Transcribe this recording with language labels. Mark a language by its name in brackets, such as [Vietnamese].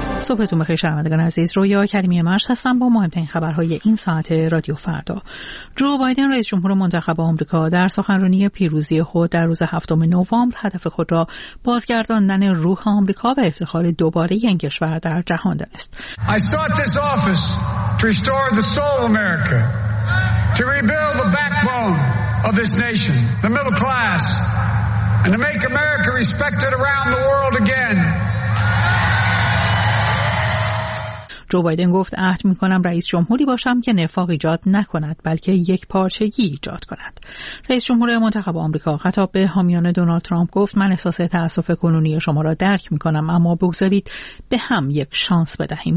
[Persian] صبحتون بخیر شنوندگان عزیز. رویا کریمی مشت هستم با مهمترین خبرهای این ساعت رادیو فردا. جو بایدن رئیس جمهور منتخب آمریکا در سخنرانی پیروزی خود در روز 7 نوامبر هدف خود را بازگرداندن روح آمریکا به افتخار دوباره این کشور در جهان دانست. [English] I sought this office to restore the soul of America, to rebuild the backbone of this nation, the middle class, and to make America respected around the world again. [Persian] جو بایدن گفت عهد میکنم رئیس جمهوری باشم که نفاق ایجاد نکند بلکه یک پارچگی ایجاد کند. رئیس جمهور منتخب آمریکا خطاب به حامیان دونالد ترامپ گفت من احساس تأسف کنونی شما را درک میکنم، اما بگذارید به هم یک شانس بدهیم.